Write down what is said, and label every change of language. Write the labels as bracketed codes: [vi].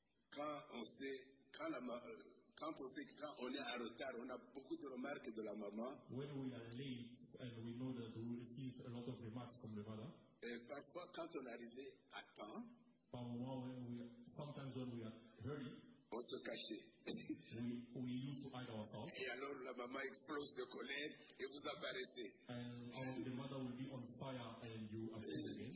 [fr] Quand on est en retard, on a beaucoup de remarques de la maman. [en] When we are late and we know that we receive a lot of remarks from the mother. [fr] Et parfois, quand on arrivait à temps, par moment, [en] sometimes when we are early, [fr] on se cachait. [en] we used to hide ourselves. [fr] Et alors la maman explose de colère et vous apparaissez. [en] And the mother will be on fire and you appear.